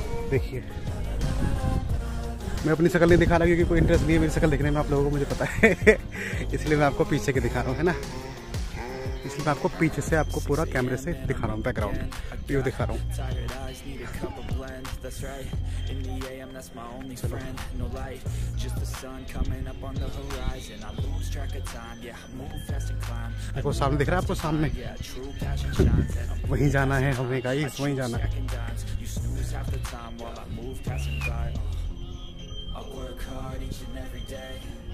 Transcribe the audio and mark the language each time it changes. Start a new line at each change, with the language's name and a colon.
Hindi: देखिए मैं अपनी शक्ल नहीं दिखा रहा क्योंकि कोई इंटरेस्ट नहीं है मेरी शक्ल दिखने में, आप लोगों को मुझे पता है इसलिए मैं आपको पीछे के दिखा रहा हूँ, है ना। इसलिए मैं आपको पीछे से आपको पूरा कैमरे से दिखा रहा हूँ, बैकग्राउंड व्यू दिखा रहा हूँ।
English: In the AM, that's my only friend. No light, just the sun coming up on the horizon. I lose track of time. Yeah, move fast and climb.
Hindi: देखो सामने दिख रहा है आपको, सामने वहीं जाना है हमें गाइस, वहीं जाना है।